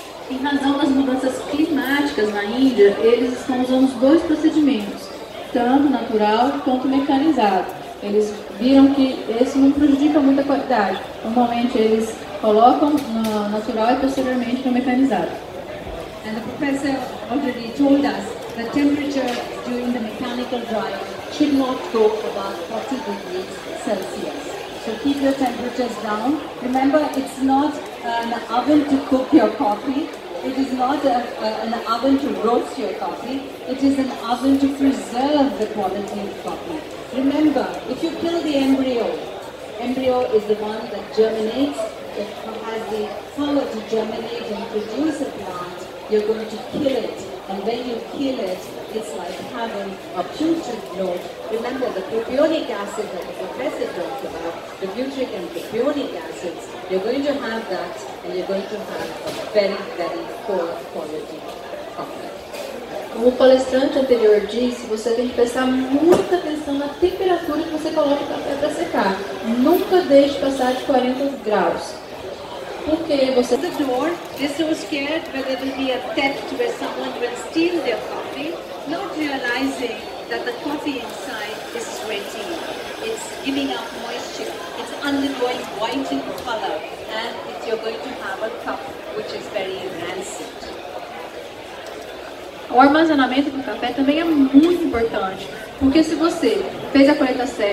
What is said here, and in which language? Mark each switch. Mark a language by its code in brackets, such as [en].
[pt] Em razão das mudanças climáticas na Índia, eles estão usando os dois procedimentos, tanto natural quanto mecanizado. Eles viram que esse não prejudica muito a qualidade. Normalmente eles colocam no natural e posteriormente no mecanizado. [en] And the professor already told us the temperature during the mechanical drying should not go above 40 degrees Celsius. So keep your temperatures down. Remember, it's not an oven to cook your coffee. It is not an oven to roast your coffee. It is an oven to preserve the quality of coffee. Remember, if you kill the embryo, embryo is the one that germinates, that has the power to germinate and produce a plant, you're going to kill it. And when you kill it, it's like having a putrid note. Remember, the propionic acid that the professor talked about, the putric and propionic acids, you're going to have that, and you're going to have a very, very poor quality coffee. [pt] Como o palestrante anterior disse, você tem que prestar muita atenção na temperatura que você coloca o café para secar. Nunca deixe passar de 40 graus. Por que você... [en] The door, they're so scared whether there will be a theft where someone will steal their coffee, not realizing that the coffee inside is sweating. It's giving up moisture. It's undergoing white in color. And it's, you're going to have a cup which is very rancid. [pt] O armazenamento do café também é muito importante, porque se você fez a colheita certa,